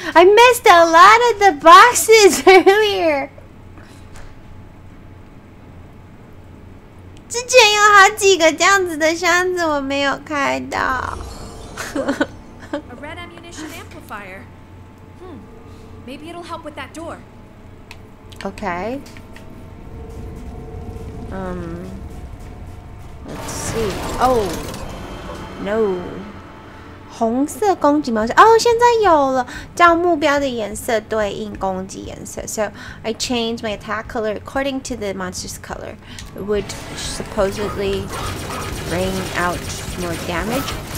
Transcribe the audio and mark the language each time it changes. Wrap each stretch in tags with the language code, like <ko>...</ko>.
<en>I missed a lot of the boxes earlier.</en> <zh>之前有好几个这样子的箱子我没有开到。</zh> <en>A red ammunition amplifier. Maybe it'll help with that door. Okay. Let's see. Oh, no.</en> <zh>红色攻击模式。哦，现在有了，照目标的颜色对应攻击颜色。</zh> <en>So I change my attack color according to the monster's color, which supposedly bring out more damage.</en>